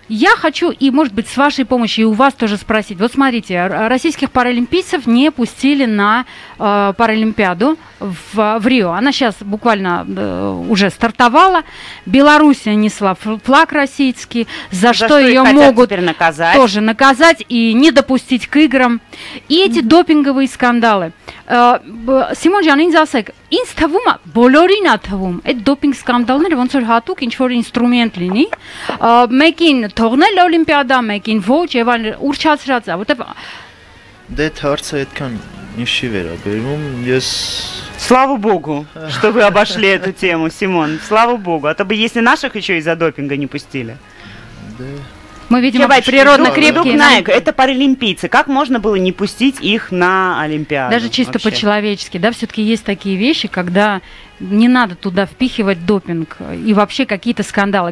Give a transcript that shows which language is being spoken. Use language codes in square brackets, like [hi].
[ru] Я хочу, и может быть с вашей помощью, и у вас тоже спросить. Вот смотрите, российских паралимпийцев не пустили на Паралимпиаду в Рио. Она сейчас буквально уже стартовала. Белоруссия несла флаг российский, за что ее могут наказать. Тоже наказать и не допустить к играм. И эти допинговые скандалы. [hy] Սիմոն ջան, ինձ ասեք, ինձ թվում է, բոլորին է թվում, այդ դոպինգ սկանդալները ոնց որ հատուկ ինչ-որ ինստրումենտ լինի, մեկին թողնել Օլիմպիադա, մեկին ոչ, եւ այլ ուրճացրած է, որտեղ դե հարցը այդքան ինչի վերաբերվում, ես [ru] Слава Богу, что вы обошли эту тему, Симон. Слава Богу. А то бы если наших еще из-за допинга не пустили. Да. Мы, видимо, давай, природно крепкие. Дуб Найк, это паралимпийцы. Как можно было не пустить их на Олимпиаду? Даже чисто вообще по-человечески. Да, все-таки есть такие вещи, когда не надо туда впихивать допинг и вообще какие-то скандалы.